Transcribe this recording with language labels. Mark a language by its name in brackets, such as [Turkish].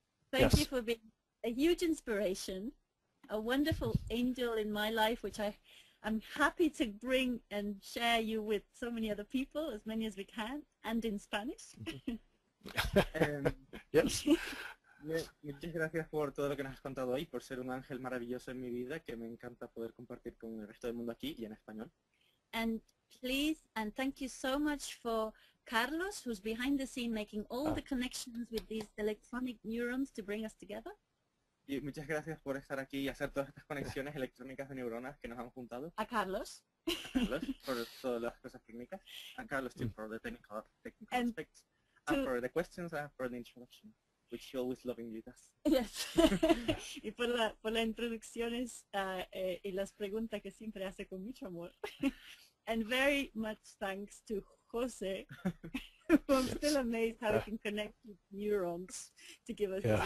[English] Thank you for being a huge inspiration, a wonderful angel in my life, which I'm happy to bring and share you with so many other people, as many as we can, and in Spanish. yes. [Spanish] Muchas gracias por todo lo que nos has contado hoy, por ser un ángel maravilloso en mi vida, que me encanta poder compartir con el resto del mundo aquí y en español. [English] And please, and thank you so much for Carlos, who's behind the scene making all the connections with these electronic neurons to bring us together. [Spanish] Y muchas gracias por estar aquí y hacer todas estas conexiones electrónicas de neuronas que nos han juntado. A Carlos. A Carlos, por todas las cosas técnicas. A Carlos, [English] too, for the technical and aspects. And for the questions and for the introduction, which he always loving you does. Yes. [Spanish] Y por la introducciones y las preguntas que siempre hace con mucho amor. [English] And very much thanks to Jose. Well, I'm still amazed how we can connect with neurons to give us